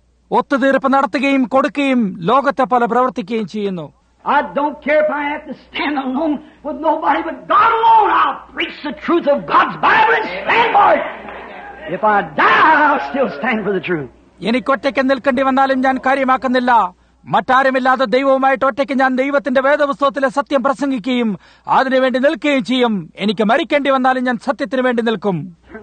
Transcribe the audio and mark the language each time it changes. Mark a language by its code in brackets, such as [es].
[ml] ഒത്തുതീർപ്പ് നടത്തുകയും കൊടുക്കുകയും ലോകത്തെ പോലെ പ്രവർത്തിക്കുകയും ചെയ്യുന്നു. [en] I don't care if I have to stand alone with nobody but God alone. I'll preach the truth of God's Bible and stand for it. If I die, I'll still stand for the truth. [ml] എനിക്ക് ഒറ്റയ്ക്ക് നിൽക്കേണ്ടി വന്നാലും ഞാൻ കാര്യമാക്കുന്നില്ല. മറ്റാരുമില്ലാതെ ദൈവവുമായിട്ട് ഒറ്റയ്ക്ക് ഞാൻ ദൈവത്തിന്റെ വേദപുസ്തകത്തിലെ സത്യം പ്രസംഗിക്കുകയും അതിനുവേണ്ടി നിൽക്കുകയും ചെയ്യും. എനിക്ക് മരിക്കേണ്ടി വന്നാലും ഞാൻ സത്യത്തിന് വേണ്ടി നിൽക്കും.